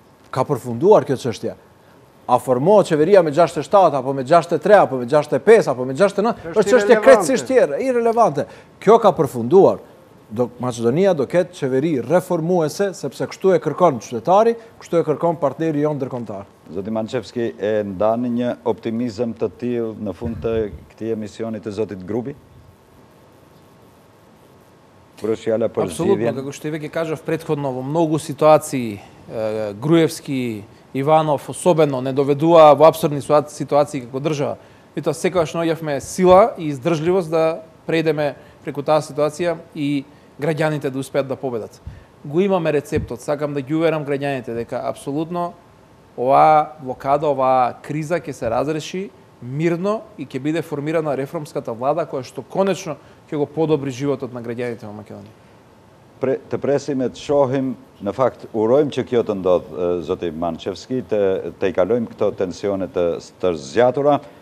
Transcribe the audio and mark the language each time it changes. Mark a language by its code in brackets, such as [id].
[sq] Ka përfunduar kjo çështje. A formohet qeveria me 67 apo me 63 apo me 65 apo me 69, është çështje krejtësisht tjetër, irrelevante. Kjo ka përfunduar. Do Maqedonia do ketë qeveri reformuese sepse kështu e kërkon qytetari, kështu e kërkon partneri jon ndërkombëtar. Zoti Manchevski e ndani një optimizëm të tillë në fund të këtij emisioni të zotit Grubi? [mk] Абсолютно, како што и веќе кажав предходно, во многу ситуации Груевски, Иванов особено не доведува во абсурдни ситуации како држава. И тоа секогаш најавме сила и издржливост да преидеме преку таа ситуација и граѓаните да успеат да победат. Го имаме рецептот, сакам да ги уверам граѓаните дека абсолютно оваа блокада, оваа криза ќе се разреши мирно и ќе биде формирана реформската влада која што конечно ќе го подобри животот на граѓаните во Македонија. [sq] të presim e të shohim, në fakt, urojmë që kjo të ndodhë, zoti Manchevski, të i kalojmë këto tensionet të zgjatura.